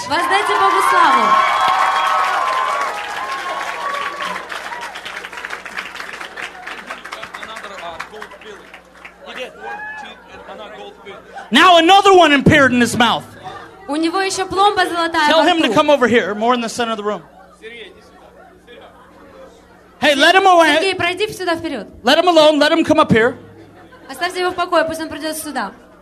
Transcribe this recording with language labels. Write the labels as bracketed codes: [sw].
[ru] Воздайте Богу славу. [en] Now another one appeared in his mouth. [ru] У него еще пломба золотая. [en] Tell him to come over here, more in the center of the room. Hey, let him away. [ru] Сергей, пройди сюда вперед. [en] Let him alone. Let him come up here. [ru] Оставьте его в покое, пусть он придет сюда.